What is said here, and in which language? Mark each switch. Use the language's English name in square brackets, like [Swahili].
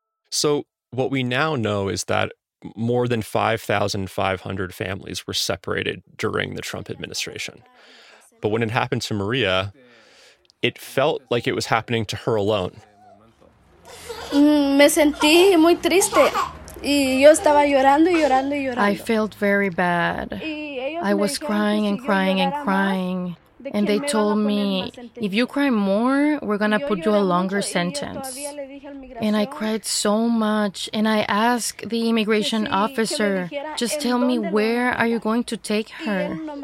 [English] So what we now know is that more than 5,500 families were separated during the Trump administration. But when it happened to Maria, it felt like it was happening to her alone. [Spanish] Me sentí muy triste. Y yo estaba llorando y llorando y llorando. [English] I felt very bad. I was crying and crying and crying. And they told me, if you cry more, we're going to put you a longer sentence. And I cried so much. And I asked the immigration officer, just tell me, where are you going to take her?